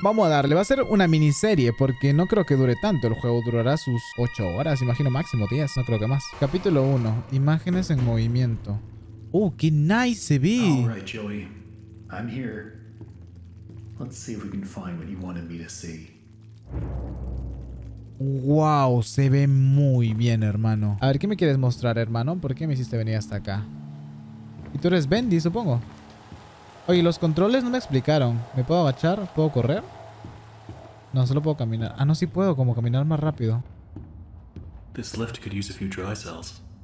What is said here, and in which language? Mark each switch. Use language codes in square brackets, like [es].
[es] Vamos a darle, va a ser una miniserie porque no creo que dure tanto. El juego durará sus 8 horas, imagino máximo 10, no creo que más. Capítulo 1, imágenes en movimiento. Qué nice se ve. [en] Alright, Joey, I'm here. Let's see if we can find what you wanted me to see. [es] Wow, se ve muy bien, hermano. A ver, ¿qué me quieres mostrar, hermano? ¿Por qué me hiciste venir hasta acá? Y tú eres Bendy, supongo. Oye, los controles no me explicaron. ¿Me puedo agachar? ¿Puedo correr? No, solo puedo caminar. Ah, no, sí puedo, como caminar más rápido. [en] This lift could use a few dry cells.